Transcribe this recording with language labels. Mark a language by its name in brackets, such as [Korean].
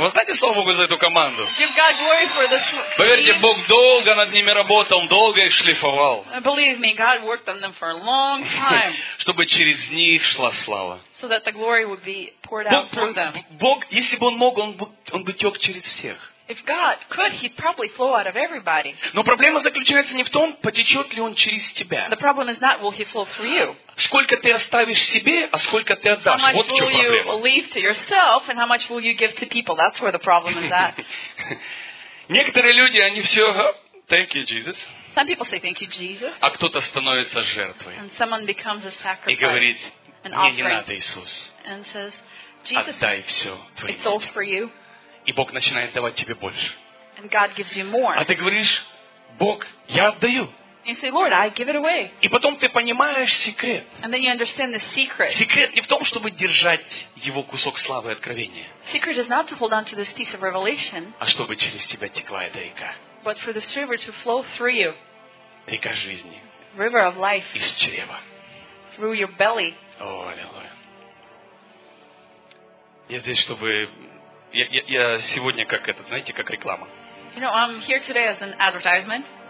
[Russian] Воздайте славу Богу за эту команду. [English] Give God glory for this. [Russian] Поверьте, Бог долго над ними работал, он долго их шлифовал. [English] Believe me, God worked on them for a long time. [Russian] Чтобы через них шла слава. [English] So that the glory would be poured out through them. [Russian] Бог, если бы он мог, он бы тек через всех. [English] If God could, he'd probably flow out of everybody. [Russian] Но проблема заключается не в том, потечет ли он через тебя. [English] The problem is not will he flow through you. [Russian] Сколько ты оставишь себе, а сколько ты отдашь? Вот в чем проблема. [English] How much will you leave to yourself and how much will you give to people? That's where the problem is at. [Russian] Некоторые люди, они все [English] thank you, Jesus. Some people say thank you, Jesus. [Russian] А кто-то становится жертвой. [English] And someone becomes a sacrifice. [Russian] И говорит, мне не надо, Иисус. [English] And says, Jesus, [Russian] отдай все твоим детям. [English] It's all for you. [Russian] И Бог начинает давать тебе больше. [English] And God gives you more. [Russian] А ты говоришь, Бог, я отдаю. [English] And say, Lord, I give it away. [Russian] И потом ты понимаешь секрет. [English] And then you understand the secret. [Russian] Секрет не в том, чтобы держать его кусок славы и откровения. [English] Secret is not to hold on to this piece of revelation. [Russian] А чтобы через тебя текла эта река. [English] But for this river to flow through you. [Russian] Река жизни. [English] River of life. [Russian] Из чрева. [English] Through your belly. [Russian] О, аллилуйя. Я здесь, чтобы... Я сегодня как этот, знаете, как реклама. [English] You know, I'm here today as an advertisement.